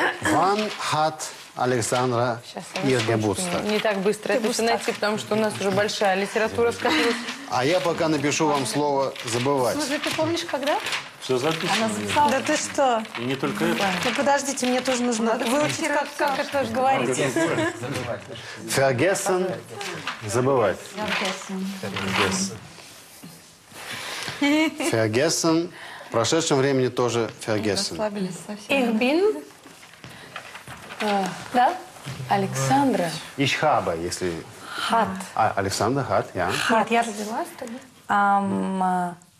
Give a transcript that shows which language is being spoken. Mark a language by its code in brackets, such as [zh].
[de] Wann hat Alexandra ihr Geburtstag? [ru] Не так быстро это все найти, потому что у нас уже большая литература скопилась. А я пока напишу вам слово забывать. Слушай, ты помнишь, когда? Все записано. Да ты что? И не только это. Ну подождите, мне тоже нужно выучить, как это же говорить. [de] Vergessen, забывать. Vergessen. Vergessen. [ru] В прошедшем времени тоже vergessen. [de] Ich bin... [ru] Да? Александра. [de] Ich habe, если... Hat. Александра, hat, ja. [ru] Hat, я родилась тогда.